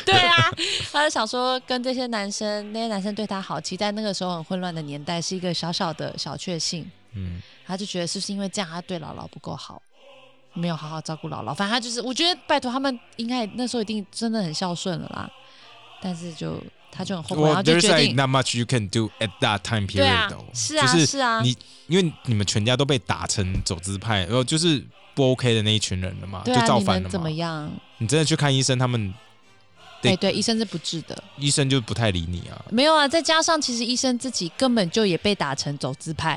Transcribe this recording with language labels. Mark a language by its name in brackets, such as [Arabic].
[Chinese] 对啊，他就想说跟这些男生，那些男生对他好，其实在那个时候很混乱的年代是一个小小的小确幸，嗯，他就觉得是不是因为这样他对姥姥不够好，没有好好照顾姥姥，反正他就是，我觉得拜托他们应该那时候一定真的很孝顺了啦，但是就他就很后悔， [English] well, [Chinese] 然后就决定。 [English] There's like not much you can do at that time period, though. [Chinese] 对啊，是啊，就是啊。因为你们全家都被打成走资派，然后就是不 OK 的那一群人了嘛，对啊、就造反了嘛。你能怎么样？你真的去看医生，他们对、欸、对，医生是不治的，医生就不太理你啊。没有啊，再加上其实医生自己根本就也被打成走资派，